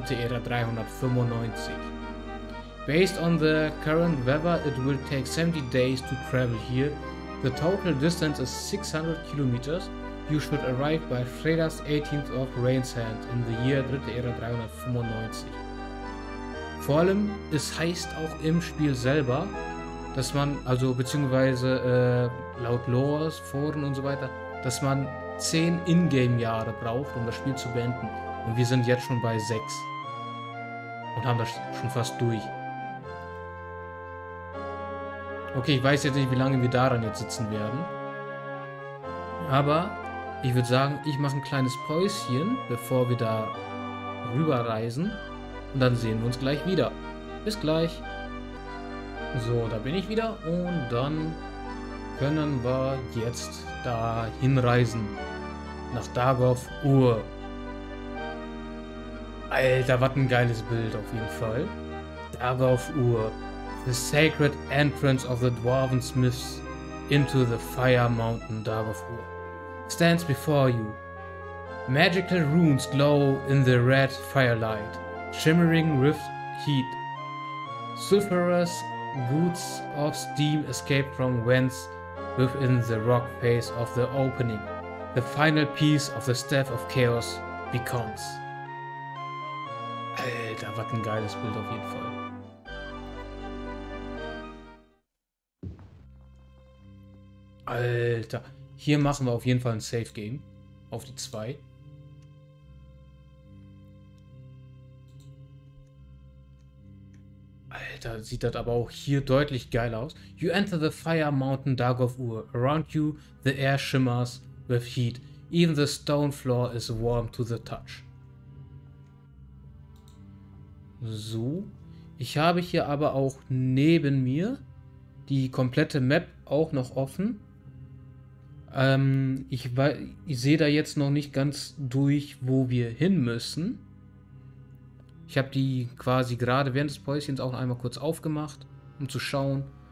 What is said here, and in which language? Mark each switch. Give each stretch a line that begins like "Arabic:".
German: Ära 395.
English: Based on the current weather, it will take 70 days to travel here. The total distance is 600 kilometers. You should arrive by Fredas 18th of Rainsand in the year 3.
German: Ära 395. Vor allem, es heißt auch im Spiel selber, dass man, also beziehungsweise laut Lores, Foren und so weiter, dass man 10 Ingame-Jahre braucht, um das Spiel zu beenden. Und wir sind jetzt schon bei 6. Und haben das schon fast durch. Okay, ich weiß jetzt nicht, wie lange wir daran jetzt sitzen werden. Aber ich würde sagen, ich mache ein kleines Päuschen, bevor wir da rüberreisen. Und dann sehen wir uns gleich wieder. Bis gleich. So, da bin ich wieder. Und dann können wir jetzt da hinreisen. Nach Dagoth-Ur. Alter, was ein geiles Bild auf jeden Fall. Dagoth-Ur.
English: The Sacred Entrance of the Dwarven Smiths into the Fire Mountain Dagoth-Ur stands before you. Magical runes glow in the red firelight, shimmering with heat. Sulfurous gouts of steam escape from vents within the rock face of the opening. The final piece of the Staff of Chaos becomes.
German: Alter, was ein geiles Bild auf jeden Fall. Alter. Hier machen wir auf jeden Fall ein Safe Game. Auf die 2. Alter, sieht das aber auch hier deutlich geil aus.
English: You enter the Fire Mountain Dagoth-Ur. Around you, the air shimmers with heat. Even the stone floor is warm to the touch.
German: So. Ich habe hier aber auch neben mir die komplette Map auch noch offen. Ich sehe da jetzt noch nicht ganz durch, wo wir hin müssen. Ich habe die quasi gerade während des Päuschens auch noch einmal kurz aufgemacht, um zu schauen.